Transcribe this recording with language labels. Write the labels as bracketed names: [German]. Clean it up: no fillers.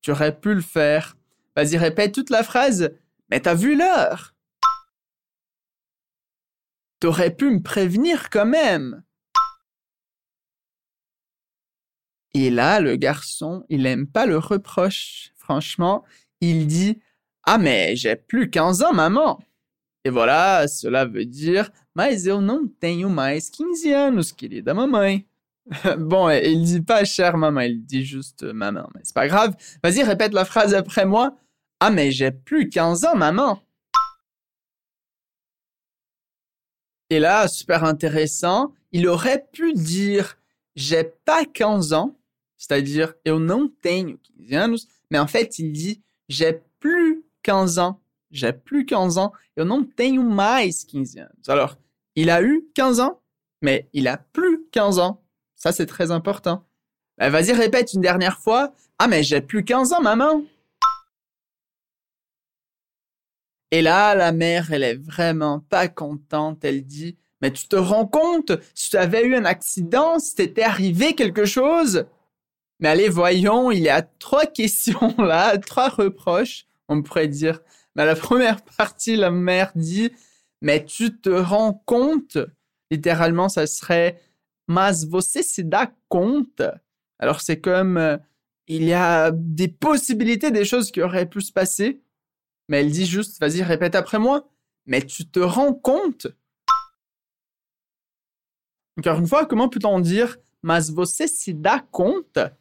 [French] Tu aurais pu le faire. Vas-y, répète toute la phrase. « Mais t'as vu l'heure ?»« T'aurais pu me prévenir quand même !» Et là, le garçon, il n'aime pas le reproche, franchement. Il dit « Ah, mais j'ai plus 15 ans, maman !» Et voilà, cela veut dire [Portuguese] « Mas eu não tenho mais 15 anos, querida mamãe !» [French] Bon, il dit pas « chère maman », il dit juste « maman », mais c'est pas grave. Vas-y, répète la phrase après moi. « Ah, mais j'ai plus 15 ans, maman !» Et là, super intéressant, il aurait pu dire j'ai pas 15 ans, c'est-à-dire [Portuguese] eu não tenho 15 anos, [French] mais en fait il dit j'ai plus 15 ans, j'ai plus 15 ans, [Portuguese] eu não tenho mais 15 anos. [French] Alors, il a eu 15 ans, mais il a plus 15 ans. Ça c'est très important. Ben, vas-y, répète une dernière fois. Ah, mais j'ai plus 15 ans, maman. Et là, la mère, elle est vraiment pas contente, elle dit. Mais tu te rends compte, si tu avais eu un accident, si t'était arrivé quelque chose? Mais allez, voyons, il y a trois questions là, trois reproches, on pourrait dire. Mais la première partie, la mère dit, mais tu te rends compte? Littéralement, ça serait, [Portuguese] mas você se dá conta? [French] Alors c'est comme, il y a des possibilités, des choses qui auraient pu se passer. Mais elle dit juste, vas-y, répète après moi, mais tu te rends compte? Encore une fois, comment peut-on dire « [Portuguese] Mas você se dá conta?